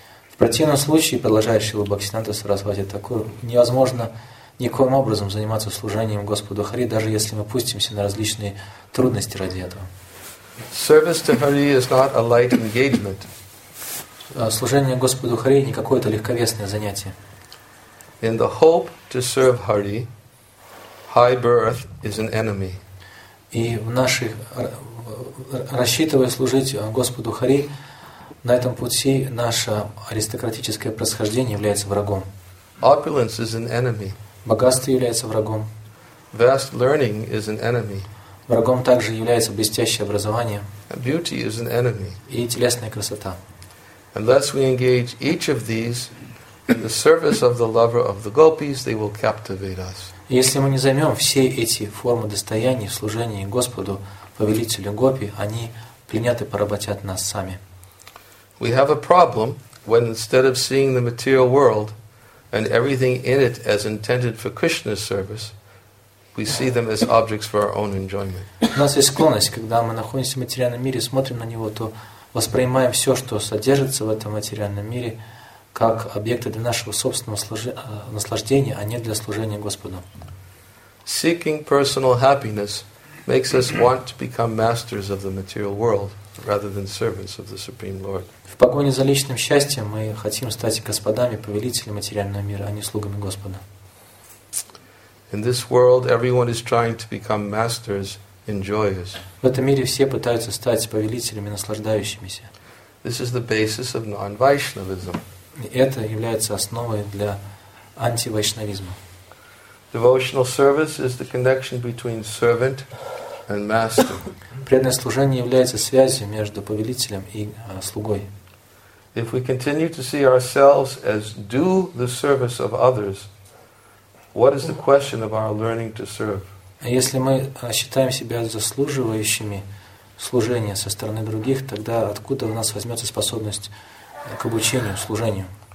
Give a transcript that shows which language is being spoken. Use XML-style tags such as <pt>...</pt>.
<ru>В противном случае, продолжает Шрила Бхактисиддханта Сарасвати Такур, невозможно никоим образом заниматься служением Господу Хари, даже если мы пустимся на различные трудности ради этого.</ru> <en>Service to Hari is not a light engagement.</en> <ru>Служение Господу Хари не какое-то легковесное занятие.</ru> <en>In the hope to serve Hari, high birth is an enemy.</en> <ru>И в наших рассчитывая служить Господу Хари, на этом пути наше аристократическое происхождение является врагом.</ru> <en>Opulence is an enemy.</en> <ru>Богатство является врагом.</ru> <en>Vast learning is an enemy.</en> <ru>Врагом также является блестящее образование.</ru> <en>Beauty is an enemy.</en> <ru>И телесная красота.</ru> <en>Unless we engage each of these in the service of the lover of the gopis, they will captivate us.</en> <ru>Если мы не займем все эти формы достояния в служении Господу, повелителю гопи, они пленят и поработят нас сами.</ru> <en>We have a problem when instead of seeing the material world and everything in it as intended for Krishna's service, we see them as objects for our own enjoyment.</en> <ru>У нас есть склонность, когда мы находимся в материальном мире, смотрим на него, то воспринимаем все, что содержится в этом материальном мире, как объекты для нашего собственного наслаждения, а не для служения Господу.</ru> <en>Seeking personal happiness makes us want to become masters of the material world rather than servants of the Supreme Lord.</en> <ru>В погоне за личным счастьем мы хотим стать господами, повелителем материального мира, а не слугами Господа.</ru> <en>In this world, everyone is trying to become masters in joyous.</en> <ru>В этом мире все пытаются стать повелителями, наслаждающимися.</ru> <en>This is the basis of non-Vaishnavism.</en> <ru>Это является основой для антивайшнавизма.</ru> <en>Devotional service is the connection between servant and master.</en> <ru>Преданное служение является связью между повелителем и слугой.</ru> <en>If we continue to see ourselves as do the service of others, what is the question of our learning to serve?</en> <ru>Если мы считаем себя заслуживающими служения со стороны других, тогда откуда у нас возьмется способность к обучению, служению?</ru>